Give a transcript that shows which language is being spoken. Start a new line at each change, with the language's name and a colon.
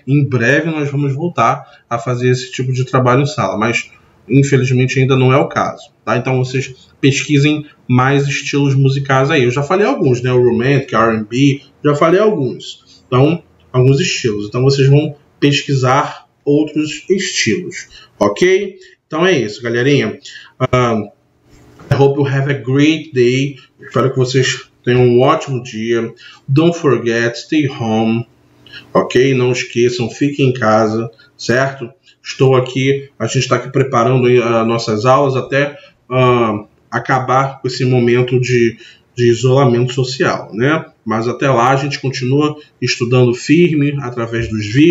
Portuguese: Em breve nós vamos voltar a fazer esse tipo de trabalho em sala, mas infelizmente ainda não é o caso, tá? Então vocês pesquisem mais estilos musicais aí. Eu já falei alguns, né? O romantic, R&B, já falei alguns. Então, alguns estilos. Então vocês vão pesquisar outros estilos, ok? Então é isso, galerinha.
English: I hope you have a great day.
Portuguese: Espero que vocês tenham um ótimo dia.
English: Don't forget, stay home, ok?
Portuguese: Não esqueçam, fiquem em casa, certo? Estou aqui, a gente está aqui preparando nossas aulas até acabar com esse momento de isolamento social, né? Mas até lá a gente continua estudando firme através dos vídeos. Estou com muita saudade de vocês, mas em breve isso tudo vai passar, ok?